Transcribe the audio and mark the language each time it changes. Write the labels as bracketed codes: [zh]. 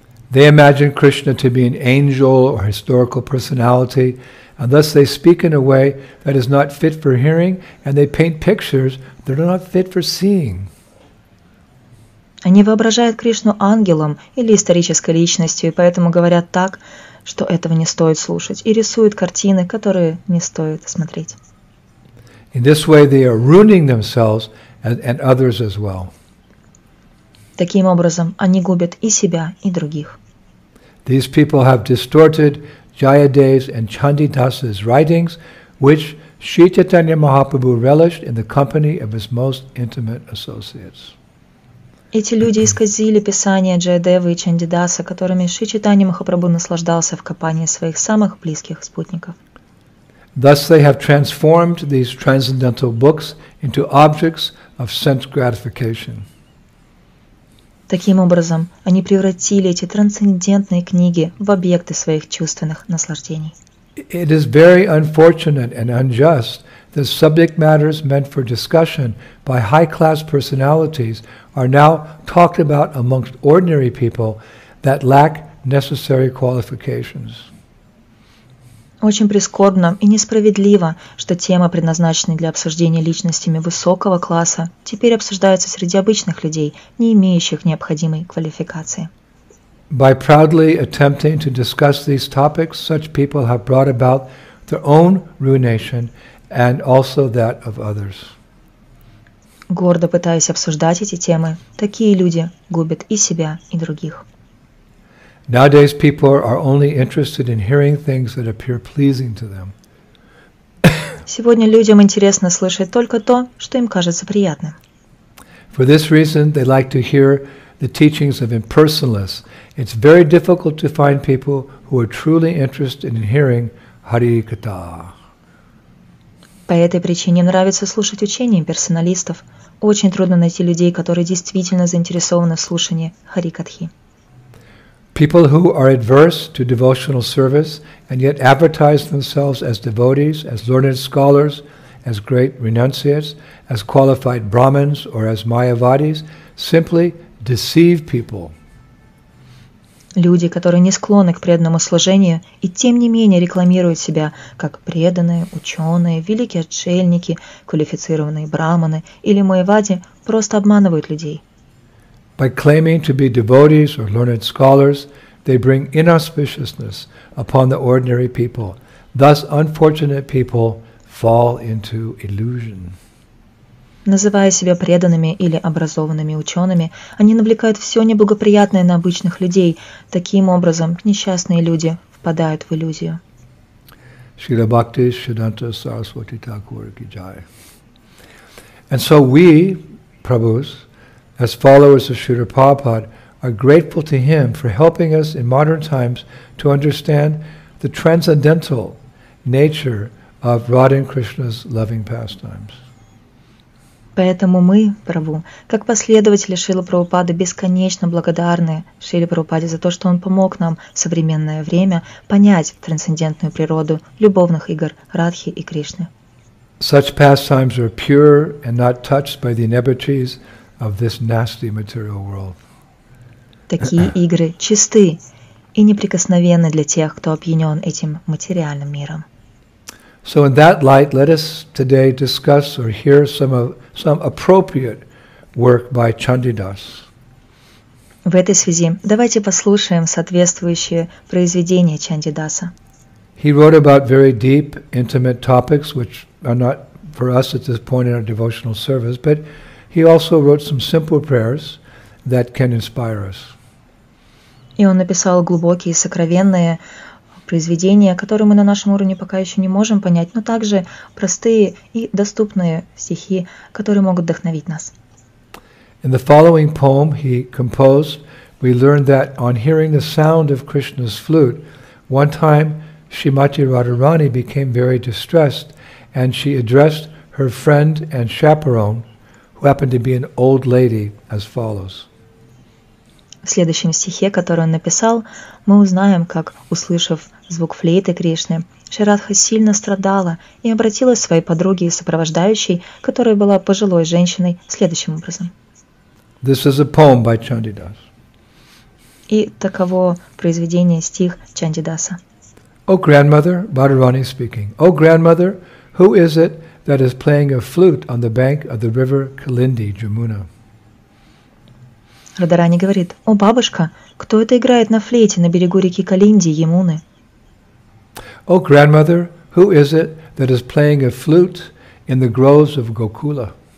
[en] They imagine Krishna to be an angel or historical personality, and thus they speak in a way that is not fit for hearing, and they paint pictures that are not fit for seeing. [ru] Они воображают Кришну ангелом или исторической личностью, и поэтому говорят так, что этого не стоит слушать, и рисуют картины, которые не стоит смотреть. [en] In this way, they are ruining themselves and others as well. [ru] Таким образом, они губят и себя, и других. [en] These people have distorted Jayadev's and Chandidas's writings, which Sri Chaitanya Mahaprabhu relished in the company of his most intimate associates. [ru] Эти люди исказили писания Джаядевы и Чандидаса, которыми Шри Чайтанья Махапрабху наслаждался в компании своих самых близких спутников. [en] Thus they have transformed these transcendental books into objects of sense gratification. [ru] Таким образом, они превратили эти трансцендентные книги в объекты своих чувственных наслаждений. [en] It is very unfortunate and unjust that subject matters meant for discussion by high-class personalities are now talked about amongst ordinary people that lack necessary qualifications. [ru] Очень прискорбно и несправедливо, что тема, предназначенная для обсуждения личностями высокого класса, теперь обсуждается среди обычных людей, не имеющих необходимой квалификации. [en] By proudly attempting to discuss these topics, such people have brought about their own ruination and also that of others. [ru] Гордо пытаясь обсуждать эти темы, такие люди губят и себя, и других. [en] Nowadays people are only interested in hearing things that appear pleasing to them. [ru] Сегодня людям интересно слышать только то, что им кажется приятным. [en] For this reason, they like to hear the teachings of impersonalists. It's very difficult to find people who are truly interested in hearing Hari Katha. [ru] По этой причине нравится слушать учения имперсоналистов. Очень трудно найти людей, которые действительно заинтересованы в слушании Хари Катхи. [en] People who are adverse to devotional service and yet advertise themselves as devotees, as learned scholars, as great renunciates, as qualified Brahmins or as Mayavadis simply deceive people. [ru] Люди, которые не склонны к преданному служению и тем не менее рекламируют себя как преданные, ученые, великие отшельники, квалифицированные брахманы или майявади, просто обманывают людей. [en] By claiming to be devotees or learned scholars, they bring inauspiciousness upon the ordinary people. Thus, unfortunate people fall into illusion. [ru] Называя себя преданными или образованными учеными, они навлекают все неблагоприятное на обычных людей. Таким образом, несчастные люди впадают в иллюзию. [en] Śrīla Bhakti Śrīdānta Sarasvati Thakur ki jai. And so we, Prabhus, as followers of Śrīla Prabhupāda, are grateful to him for helping us in modern times to understand the transcendental nature of Radha and Krishna's loving pastimes. [ru] Поэтому мы, Прабху, как последователи Шрилы Прабхупады, бесконечно благодарны Шриле Прабхупаде за то, что он помог нам в современное время понять трансцендентную природу любовных игр Радхи и Кришны. [en] Such pastimes are pure and not touched by the inebrieties of this nasty material world. [ru] Такие игры чисты и неприкосновенны для тех, кто опьянен этим материальным миром. [en] So in that light, let us today discuss or hear some appropriate work by Chandidas. [ru] В этой связи давайте послушаем соответствующие произведения Чандидаса. [en] He wrote about very deep, intimate topics, which are not for us at this point in our devotional service, but he also wrote some simple prayers that can inspire us. [ru] И он написал глубокие, сокровенные произведения, которые мы на нашем уровне пока еще не можем понять, но также простые и доступные стихи, которые могут вдохновить нас. [en] In the following poem he composed, we learn that on hearing the sound of Krishna's flute, one time Srimati Radharani became very distressed, and she addressed her friend and chaperone, who happened to be an old lady, as follows. [ru] В следующем стихе, который он написал, мы узнаем, как, услышав звук флейты Кришны, Шри Радха сильно страдала и обратилась к своей подруге и сопровождающей, которая была пожилой женщиной, следующим образом. [en] This is a poem by Chandidas. [ru] И таково произведение стих Чандидаса. [en] O grandmother, Radharani speaking. O grandmother, who is it that is playing a flute on the bank of the river Kalindi, Jamuna? [ru] Радхарани говорит: О бабушка, кто это играет на флейте на берегу реки Калинди, Ямуны? [en] O grandmother, who is it that is playing a flute in the groves of Gokula?